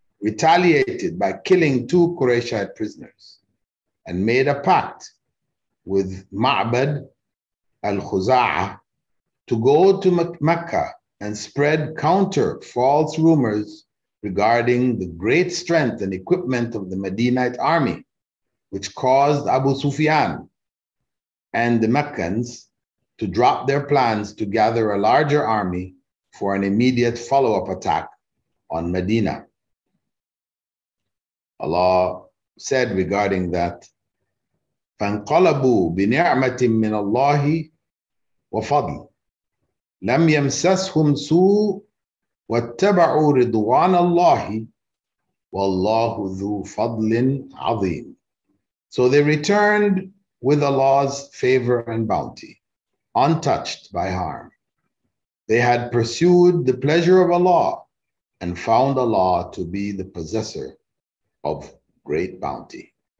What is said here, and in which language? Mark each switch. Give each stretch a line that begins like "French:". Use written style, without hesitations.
English: retaliated by killing two Quraysh prisoners and made a pact with Ma'bad al-Khuza'ah to go to Mecca and spread counter false rumors regarding the great strength and equipment of the Medinite army, which caused Abu Sufyan and the Meccans to drop their plans to gather a larger army for an immediate follow-up attack on Medina. Allah said regarding that,
Arabic: فَانْقَلَبُوا بِنِعْمَةٍ مِّنَ اللَّهِ وَفَضْلٍ لَمْ يَمْسَسْهُمْ سُوءٌ وَاتَّبَعُوا رِضْوَانَ اللَّهِ وَاللَّهُ ذُو فَضْلٍ عَظِيمٍ.
English: So they returned with Allah's favor and bounty, untouched by harm. They had pursued the pleasure of Allah and found Allah to be the possessor of great bounty.